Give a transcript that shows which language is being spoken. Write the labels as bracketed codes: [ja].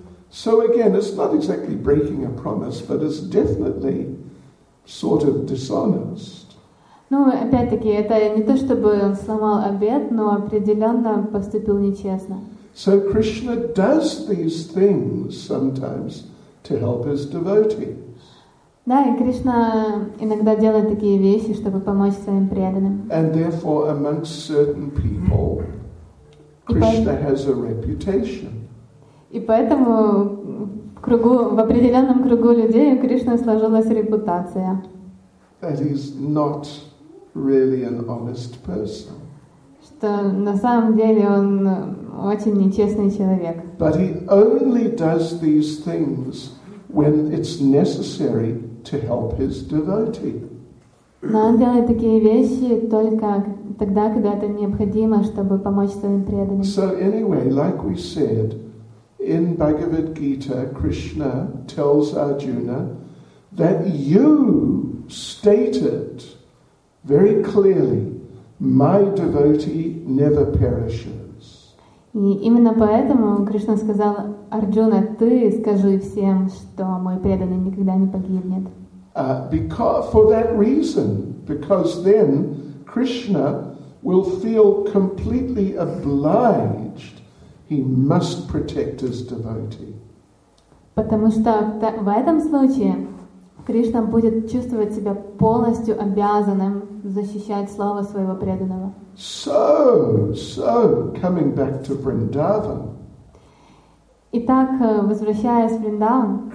[en] So again, it's not exactly breaking a promise, but it's definitely sort of dishonest. [ru] Ну, опять-таки, это не то, чтобы он сломал обет, но определенно поступил нечестно. [en] So Krishna does these things sometimes to help his devotees. [ru] Да, и Кришна иногда делает такие вещи, чтобы помочь своим преданным. [en] And therefore, amongst certain people, Krishna has a reputation. [ru] И поэтому в определенном кругу людей у Кришны сложилась репутация. [en] That he's not really an honest person. [ru] Что на самом деле он очень нечестный человек. [en] But he only does these things when it's necessary to help his devotee. [ru] Но он делает такие вещи только тогда, когда это необходимо, чтобы помочь своим преданным. [en] So anyway, like we said, in Bhagavad Gita, Krishna tells Arjuna that you stated very clearly, my devotee never perishes. [ru] И именно поэтому Кришна сказал Арджуна, ты скажи всем, что мой преданный никогда не погибнет. [en] For that reason, because then Krishna will feel completely obliged. He must protect his devotee. [ru] Потому что в этом случае Кришна будет чувствовать себя полностью обязанным защищать слово своего преданного. [en] So, coming back to Vrindavan. [ru] Итак, возвращаясь в Вриндаван.